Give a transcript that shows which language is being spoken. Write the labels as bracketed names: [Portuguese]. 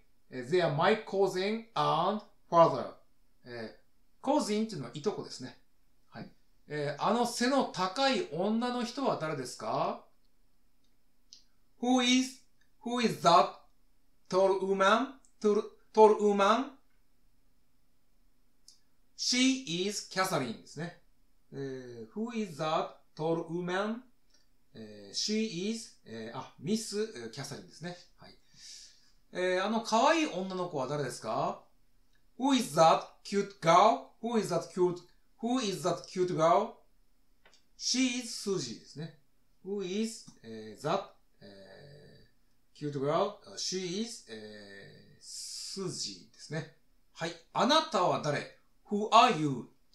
[English] They are my cousin and father. [Japanese] Cousin というのはいとこですね。はい。あの背の高い女の人は誰ですか ? [English] Who is that tall woman? She is Catherine ですね。 Who is that tall woman? She is, Miss Catherine ですね。 [Japanese] はい。あの可愛い女の子は誰ですか ? [English] Who is that cute girl? Who is that cute? Who is that cute girl? She is Suzy ですね。 Who is that cute girl? She is Suzy ですね。 [Japanese] はい。あなたは誰 ? [English] Who are you?